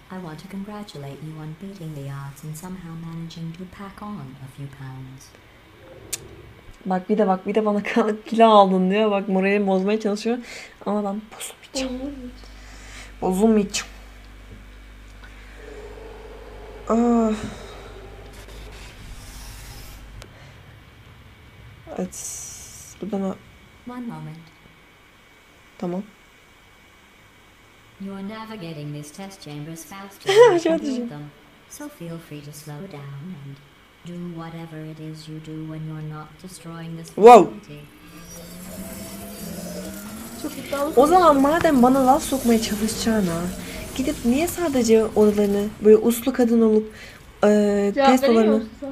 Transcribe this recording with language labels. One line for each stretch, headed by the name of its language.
English: I want to congratulate you on beating the odds and somehow managing to pack on a few pounds.
Turkish: Bak bir de bak bir de bana kilo aldın diyor. Bak morali bozmaya çalışıyor. Ama ben bozulmayacağım. Evet. Buradan
English: One moment.
Turkish: Tamam.
English: You're navigating these test chambers faster than you can do them. So feel free to slow down and do whatever it is you do when you're not destroying this facility.
Turkish: O zaman madem bana laf sokmaya çalışacağına, gidip niye sadece odalarını böyle uslu kadın olup test odalarını...